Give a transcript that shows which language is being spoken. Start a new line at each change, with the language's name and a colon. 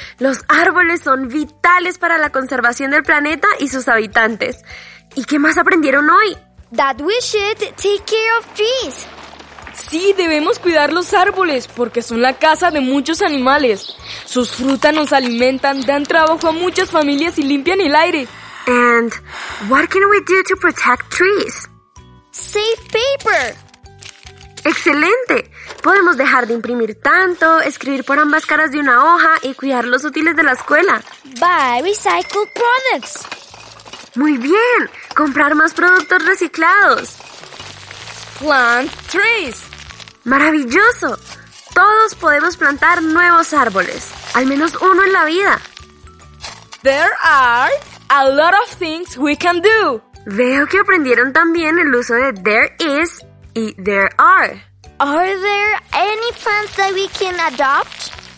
Spanish: Los árboles son vitales para la conservación del planeta y sus habitantes. ¿Y qué más aprendieron hoy?
English: That we should take care of trees.
Spanish: Sí, debemos cuidar los árboles porque son la casa de muchos animales. Sus frutas nos alimentan, dan trabajo a muchas familias y limpian el aire.
English: And what can we do to protect trees? Save paper.
Spanish: ¡Excelente! Podemos dejar de imprimir tanto, escribir por ambas caras de una hoja y cuidar los útiles de la escuela.
English: Buy recycled products.
Spanish: ¡Muy bien! Comprar más productos reciclados.
English: Plant trees.
Spanish: ¡Maravilloso! Todos podemos plantar nuevos árboles, al menos uno en la vida.
English: There are a lot of things we can do.
Spanish: Veo que aprendieron también el uso de there is y there are.
English: Are there any plants that we can adopt?